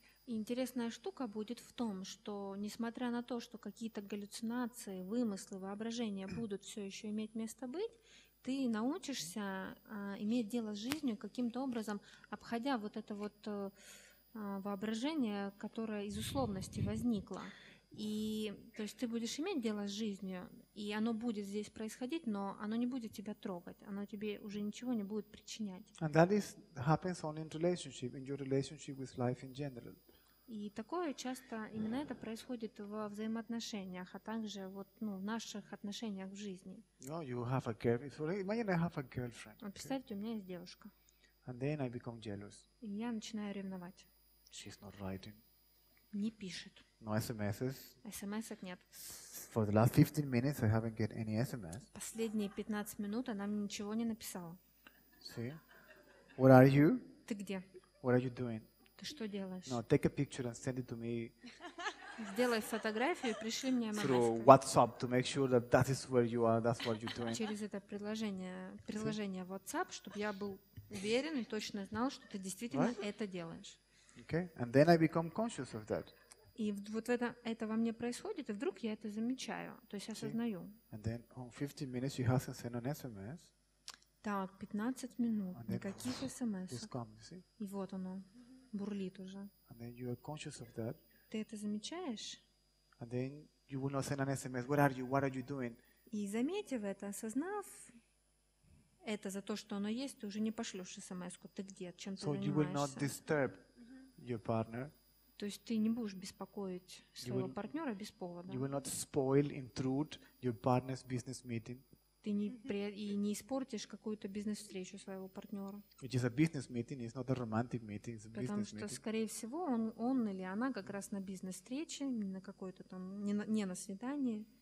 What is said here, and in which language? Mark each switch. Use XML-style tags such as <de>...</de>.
<ru>Интересная штука будет в том, что несмотря на то, что какие-то галлюцинации, вымыслы, воображения будут все еще иметь место быть, ты научишься иметь дело с жизнью каким-то образом, обходя вот это вот воображение, которое из условности возникло. И то есть ты будешь иметь дело с жизнью, и оно будет здесь происходить, но оно не будет тебя трогать, оно тебе уже ничего не будет причинять.</ru> <en>And that is happens only in relationship, in your relationship with life in general.</en> <ru>И такое часто именно это происходит во взаимоотношениях, а также вот, ну, в наших отношениях в жизни.</ru> <en>No, you have a girlfriend. Imagine I have a girlfriend.</en> <ru>Вот представьте, у меня есть девушка.</ru> <en>And then I become jealous.</en> <ru>И я начинаю ревновать.</ru> <en>She's not writing.</en> <ru>Не пишет.</ru> <en>No SMS's.</en> <ru>SMS-ок нет.</ru> <en>For the last 15 minutes I haven't get any SMS.</en> <ru>Последние 15 минут она мне ничего не написала.</ru> <en>See? Where are you?</en> <ru>Ты где?</ru> <en>What are you doing?</en> <ru>Ты что делаешь?</ru> <en>No, take a picture and send it to me.</en> <ru>Сделай фотографию и пришли мне</ru> <en>MMS. Through WhatsApp to make sure that that is where you are, that's what you're doing.</en> <ru>Через это приложение WhatsApp, чтобы я был уверен и точно знал, что ты действительно</ru> <en>right?</en> <ru>это делаешь.</ru> <en>Okay, and then I become conscious of that.</en> <ru>И вот это во мне происходит, и вдруг я это замечаю, то есть осознаю.</ru> <en>And then on 15 minutes you haven't sent an SMS.</en> <ru>Так, 15 минут,</ru> <en>and then,</en> <ru>никаких SMS.</ru> <en>It's come, you see?</en> <ru>И вот оно. Бурлит уже.</ru> <en>And then you are conscious of that.</en> <ru>Ты это замечаешь?</ru> <en>And then you will not send an SMS. Where are you? What are you doing?</en> <ru>И заметив это, осознав это за то, что оно есть, ты уже не пошлёшь смс-ку. Ты где? Чем ты занимаешься?</ru> <en>So you will not disturb your partner.</en> <ru>То есть ты не будешь беспокоить своего партнера без повода.</ru> <en>You will not spoil intrude your partner's business meeting.</en> <ru>Ты не и не испортишь какую-то бизнес-встречу своего партнера.</ru> <en>Which is a business meeting, it's not a romantic meeting, it's a business meeting.</en> <ru>Потому что, скорее всего, он или она как раз на бизнес-встрече, на какой-то там не на свидании.</ru>